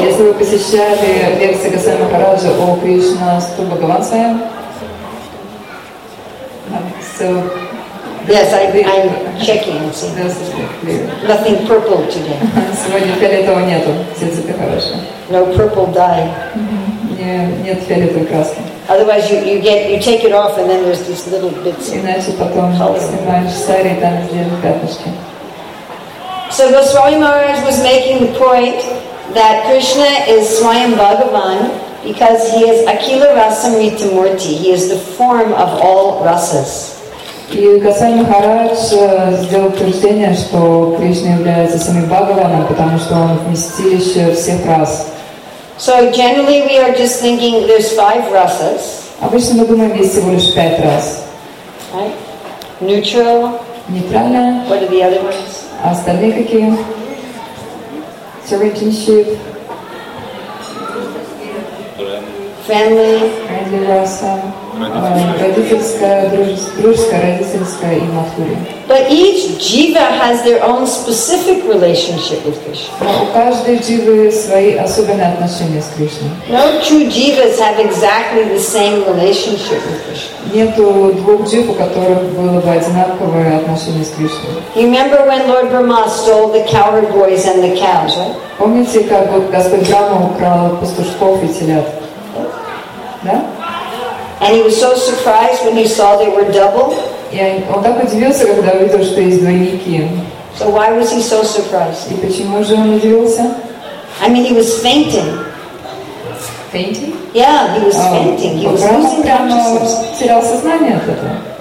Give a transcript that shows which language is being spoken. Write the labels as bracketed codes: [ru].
[ru] Если вы посещали лекции Госвами Махараджа о Кришне с двумя Бхагаванами. [en] Yes, I'm checking. See. Nothing purple today. [ru] Сегодня фиолетового нету. Все цвета хорошие. [en] No purple dye. [ru] Нет фиолетовой краски. [en] Otherwise, you take it off, and then there's these little bits. [ru] Иначе потом снимаешь сари, там где-то пятнышки. [en] So Goswami Maharaj was making the point that Krishna is Swayam Bhagavan because he is Akila Rasamrita Murti. He is the form of all rasas. [ru] И Госвами Махарадж сделал утверждение, что Кришна является самим Бхагаваном, потому что он вместилище всех рас. [en] So generally we are just thinking there's five rasas. [ru] Обычно мы думаем, есть всего лишь пять рас. [en] Right? Neutral. [ru] Нейтральное. [en] What are the other ones? [ru] А остальные какие? Surrogateship. [en] Family. Friendly rasa. [ru] Родительская и матхури. [en] But each jiva has their own specific relationship with Krishna. [ru] У каждой дживы свои особенные отношения с Кришной. [en] No two jivas have exactly the same relationship with Krishna. [ru] Нету двух джив, у которых было бы одинаковое отношение с Кришной. [en] You remember when Lord Brahma stole the cowherd boys and the cows, right? [ru] Помните, как Господь Брама украл пастушков и телят? Да? [en] And he was so surprised when he saw they were double. [ru] Yeah, он так удивился, когда увидел, что есть двойники. [en] So why was he so surprised? [ru] И почему же он удивился? [en] I mean, he was fainting. Fainting? Yeah, he was fainting. He was losing consciousness. [ru] Терял сознание от этого.